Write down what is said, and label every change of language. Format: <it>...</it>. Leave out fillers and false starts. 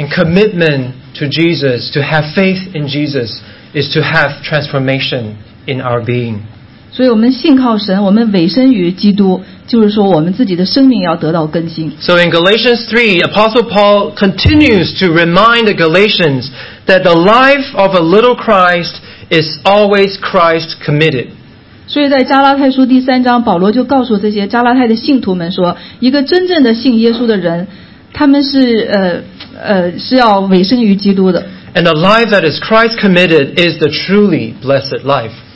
<en>And commitment to Jesus, to have faith in Jesus, is to have transformation in our being.</en> <zh>所以我们信靠神, 我们委身于基督, 就是说我们自己的生命要得到更新。</zh> <en>So in Galatians 3, Apostle Paul continues to remind the Galatians that the life of a little Christ is always Christ committed.</en> <zh>所以在加拉太书第三章, 保罗就告诉这些加拉太的信徒们说, 一个真正的信耶稣的人, 他们是, 是要委身于基督的。</zh> <en>And the life that is Christ committed is the truly blessed life.</en>